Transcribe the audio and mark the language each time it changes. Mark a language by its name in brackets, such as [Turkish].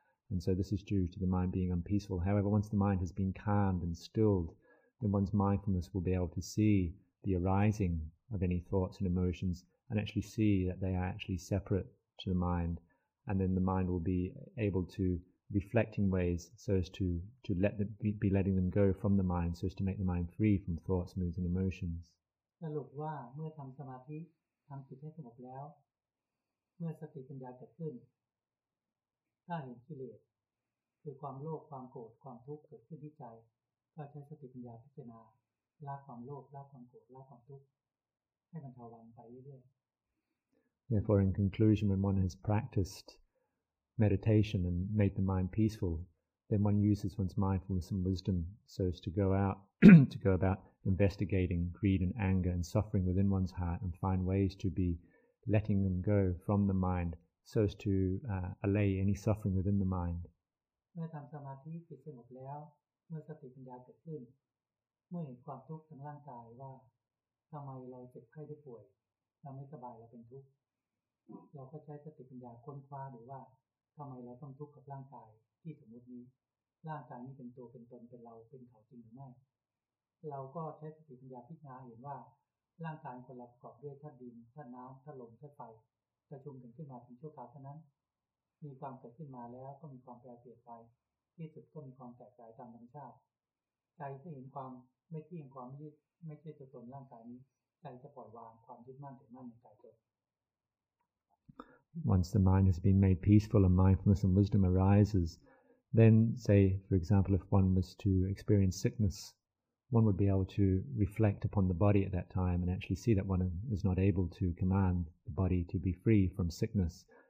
[English] And so this is due to the mind being unpeaceful. However, once the mind has been calmed and stilled, then one's mindfulness will be able to see the arising of any thoughts and emotions and actually see that they are actually separate to the mind. And then the mind will be able to reflect in ways so as to let them be letting them go from the mind so as to make the mind free from thoughts, moods and emotions. [Thai] สรุปว่าเมื่อทำสมาธิทำจิตให้สงบแล้วเมื่อสติปัญญาเกิดขึ้นถ้าเห็นกิเลสคือความโลภความโกรธความทุกข์เกิดขึ้นที่ใจก็ใช้สติปัญญาพิจารณาละความโลภละความโกรธละความทุกข์ให้มันเบาบางไปเรื่อย [English] ๆ Therefore in conclusion when one has practiced meditation and made the mind peaceful then one uses one's mindfulness and wisdom so as to go out to go about investigating greed and anger and suffering within one's heart and find ways to be letting them go from the mindso as to allay any suffering within the mind. [Thai] เมื่อทำสมาธิจิตสงบแล้วเมื่อสติปัญญาเกิดขึ้นเมื่อเห็นความทุกข์ทางร่างกายว่าทำไมเราเจ็บไข้ได้ป่วยเราไม่สบายเราเป็นทุกข์เราก็ใช้สติปัญญาค้นคว้าดูว่าทำไมเราต้องทุกข์กับร่างกายที่สมมตินี้ร่างกายนี้เป็นตัวเป็นตนเป็นเราเป็นเขาจริงหรือไม่ เราก็ใช้สติปัญญาพิจารณาเห็นว่าร่างกายคนเราประกอบด้วยธาตุดินธาตุน้ำธาตุลมธาตุไฟประชุมกันขึ้นมาเป็นชั่วคราวเท่านั้นมีความเกิดขึ้นมาแล้วก็มีความแปรเปลี่ยนไปที่สุดก็มีความแตกแยกตามธรรมชาติใจที่เห็นความไม่เที่ยงความไม่ใช่ตัวตนร่างกายนี้ใจจะปล่อยวางความยึดมั่นถือมั่นในกายตน [English] Once the mind has been made peaceful and mindfulness and wisdom arises then say for example if one was to experience sickness one would be able to reflect upon the body at that time and actually see that one is not able to command the body to be free from sickness.